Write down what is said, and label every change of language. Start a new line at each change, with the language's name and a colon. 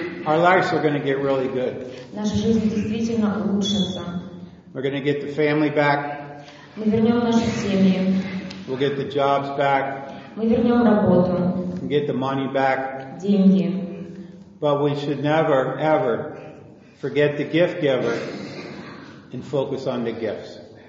English: our lives are going to get really good.
Russian: Наша жизнь действительно улучшится.
English: We're going to get the family back.
Russian: Мы вернем наши семьи.
English: We'll get the jobs back.
Russian: Мы вернем работу.
English: We'll get the money back.
Russian: Деньги.
English: But we should never, ever forget the gift giver and focus on the gifts.